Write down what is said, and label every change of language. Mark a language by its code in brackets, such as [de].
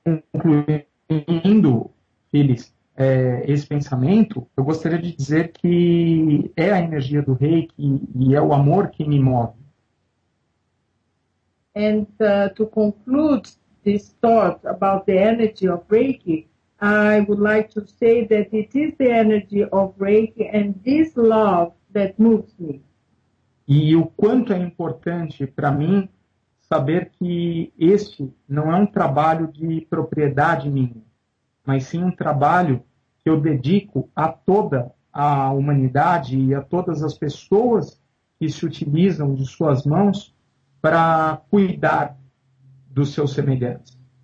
[pt] Concluindo, Phyllis, esse pensamento, eu gostaria de dizer que é a energia do Reiki e é o amor que me move. [en] And to conclude this thought about the energy of Reiki, I would like to say that it is the energy of Reiki and this love that moves me. [pt] E o quanto é importante para mim saber que este não é um trabalho de propriedade minha, mas sim um trabalho que eu dedico a toda a humanidade e a todas as pessoas que se utilizam de suas mãos para cuidar dos seus semelhantes.